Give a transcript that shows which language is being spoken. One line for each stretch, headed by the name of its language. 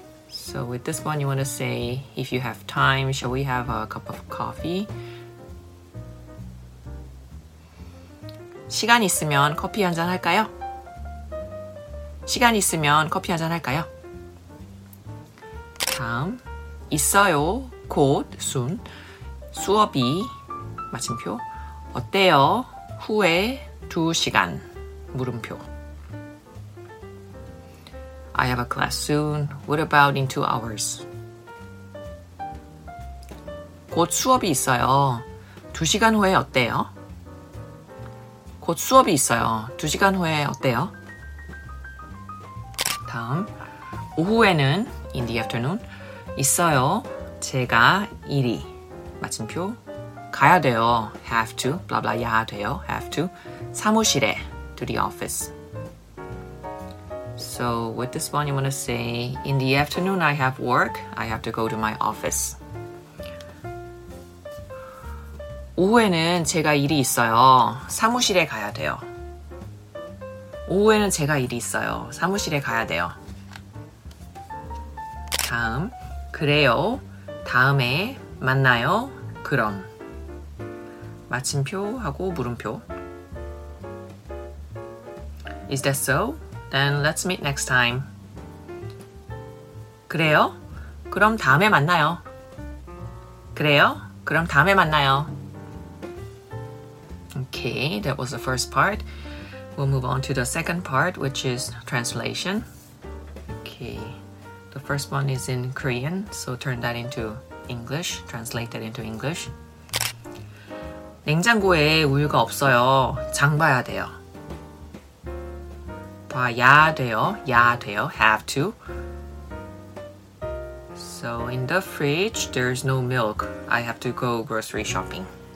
English: So with this one, you want to say if you have time, shall we have a cup of coffee?
Korean: 시간 있으면 커피 한 잔 할까요? 시간 있으면 커피 한 잔 할까요? 다음 있어요. 곧
English: soon
Korean: 수업이 마침표 어때요? 후에 두 시간 물음표
English: I have a class soon. What about in 2 hours?
Korean: 곧 수업이 있어요. 두 시간 후에 어때요? 곧 수업이 있어요. 두 시간 후에 어때요? 다음 오후에는
English: in the afternoon
Korean: 있어요. 제가 일이 마침표 가야 돼요.
English: Have to. Blah blah.
Korean: 야 돼요.
English: Have to.
Korean: 사무실에.
English: To the office. So with this one, you want to say, in the afternoon, I have work. I have to go to my office.
Korean: 오후에는 제가 일이 있어요. 사무실에 가야 돼요. 오후에는 제가 일이 있어요. 사무실에 가야 돼요. 다음. 그래요. 다음에 만나요. 그럼. 마침표하고 물음표.
English: Is that so? Then let's meet next time.
Korean: 그래요? 그럼 다음에 만나요. 그래요? 그럼 다음에 만나요.
English: Okay, that was the first part. We'll move on to the second part, which is translation. Okay, the first one is in Korean, so turn that into English, translate that into English.
Korean: 냉장고에 우유가 없어요. 장 봐야 돼요. 봐야 돼요. 야 돼요.
English: Have to. So in the fridge, there's no milk. I have to go grocery shopping.